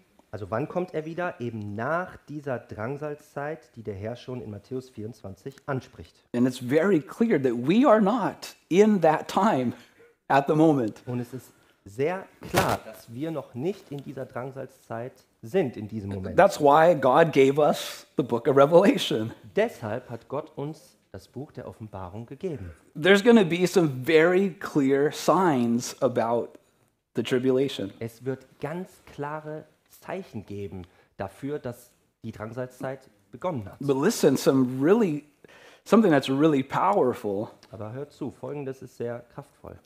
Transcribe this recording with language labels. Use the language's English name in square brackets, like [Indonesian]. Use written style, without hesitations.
[German] Also wann kommt er wieder? Eben nach dieser Drangsalzeit, die der Herr schon in Matthäus 24 anspricht. [English] And it's very clear that we are not in that time at the moment. [German] Und es ist sehr klar, dass wir noch nicht in dieser Drangsalzeit sind in diesem Moment. [English] That's why God gave us the book of Revelation. [German] Deshalb hat Gott uns das Buch der Offenbarung gegeben. [English] There's going to be some very clear signs about the tribulation. [German] Es wird ganz klare Zeichen geben dafür, dass die Drangsalzeit begonnen hat. [English] But listen, something that's really powerful. [German] Aber hört zu, Folgendes ist sehr kraftvoll.